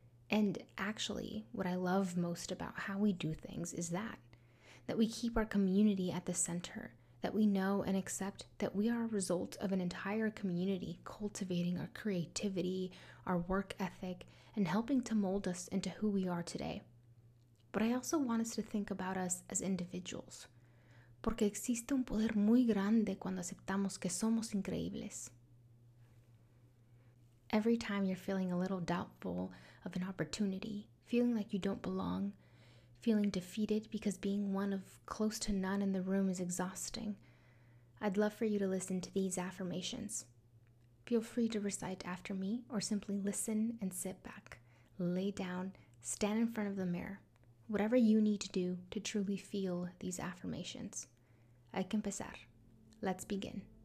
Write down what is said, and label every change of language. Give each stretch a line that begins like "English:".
English: And actually, what I love most about how we do things is that we keep our community at the center, that we know and accept that we are a result of an entire community cultivating our creativity, our work ethic, and helping to mold us into who we are today. But I also want us to think about us as individuals.
Spanish: Porque existe un poder muy grande cuando aceptamos que somos increíbles.
English: Every time you're feeling a little doubtful of an opportunity, feeling like you don't belong, feeling defeated because being one of close to none in the room is exhausting, I'd love for you to listen to these affirmations. Feel free to recite after me or simply listen and sit back, lay down, stand in front of the mirror, whatever you need to do to truly feel these affirmations.
Spanish: Hay que empezar.
English: Let's begin.